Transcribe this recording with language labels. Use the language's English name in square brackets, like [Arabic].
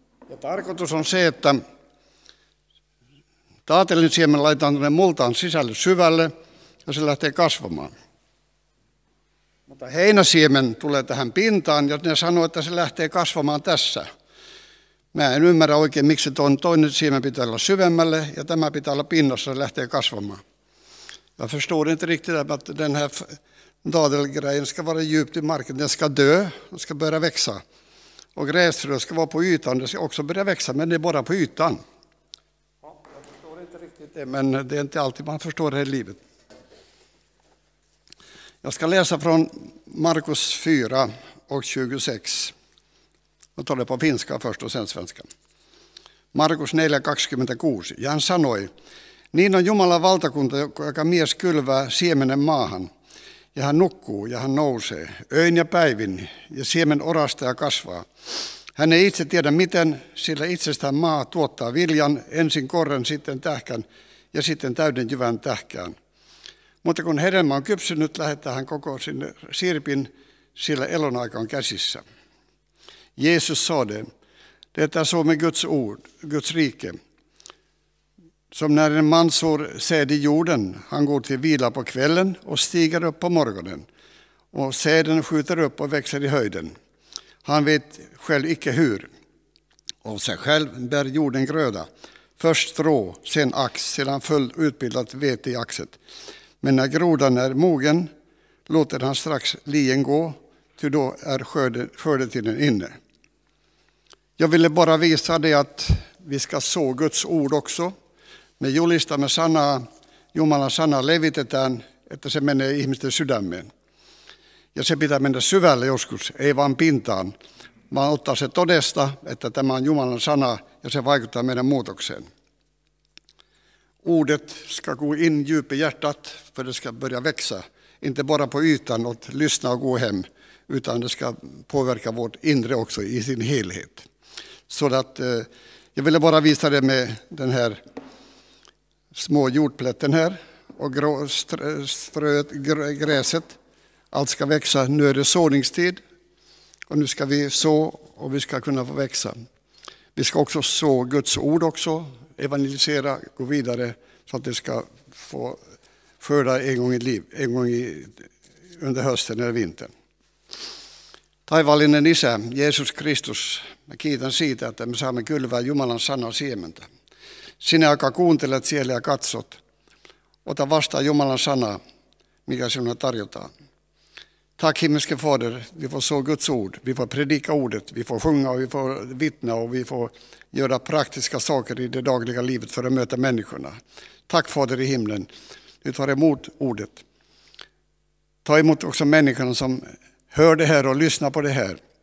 [Finnish] Ja tarkoitus on se, että taatelin siemen laitetaan tuonne multaan sisälle syvälle ja se lähtee kasvamaan. Mutta heinäsiemen tulee tähän pintaan ja ne sanoo, että se lähtee kasvamaan tässä. Mä en ymmärrä oikein, miksi toinen siemen pitää olla syvemmälle ja tämä pitää olla pinnassa, se lähtee kasvamaan. [Swedish] Jag förstår inte riktigt att den här dadelgrejen ska vara djupt i marken. Den ska dö, den ska börja växa. Och gräsfrö ska vara på ytan, den ska också börja växa, men det är bara på ytan. Ja, jag förstår inte riktigt det, men det är inte alltid man förstår det här livet. Jag ska läsa från Markus 4 och 26. Jag tar det på finska först och sen svenska. Markus 4, 26. [Finnish] Jan sanoi: niin on Jumalan valtakunta, joka mies kylvää siemenen maahan, ja hän nukkuu ja hän nousee, öin ja päivin, ja siemen orastaa ja kasvaa. Hän ei itse tiedä miten, sillä itsestään maa tuottaa viljan, ensin korren, sitten tähkän, ja sitten täyden jyvän tähkään. Mutta kun hedelmä on kypsynyt, lähettää hän koko sinne sirpin, sillä elonaika on käsissä. [Swedish] Jeesus sade, detta är så med Guds ord, Guds rike. Som när en man sår säd i jorden, han går till vila på kvällen och stiger upp på morgonen. Och säden skjuter upp och växer i höjden. Han vet själv icke hur. Av sig själv bär jorden gröda. Först strå, sen ax, sedan fullt utbildat vete i axet. Men när grodan är mogen låter han strax lien gå ty då är skördetiden inne. Jag ville bara visa dig att vi ska så Guds ord också. Men jag listar med [Finnish] sanna, Jumalan sanna levitetään, että se menee ihmisten sydämeen. Ja se pitää mennä syvälle joskus, ei vaan pintaan, vaan ottaa se todesta, että tämä on Jumalan sana ja se vaikuttaa meidän muutokseen. [Swedish] Ordet ska gå in djup i hjärtat för det ska börja växa. Inte bara på ytan och lyssna och gå hem, utan det ska påverka vårt inre också i sin helhet. Så att jag ville bara visa det med den här små jordplätten här och gräset. Allt ska växa, nu är det såningstid och nu ska vi så och vi ska kunna få växa. Vi ska också så Guds ord också, evangelisera, gå vidare så att det ska få skörda en gång i liv, en gång i, under hösten eller vintern. [Finnish] Taivallinen isä, Jeesus Kristus, mä kiitän siitä, että me saamme kylvää Jumalan sanan siementä. Sinä, joka kuuntelet siellä ja katsot, ota vastaan Jumalan sanaa, mikä sinulle tarjotaan. [Swedish] Tack himmelske fader, vi får så Guds ord, vi får predika ordet, vi får sjunga och vi får vittna och vi får göra praktiska saker i det dagliga livet för att möta människorna. Tack fader i himlen, du tar emot ordet. Ta emot också människorna som hör det här och lyssnar på det här.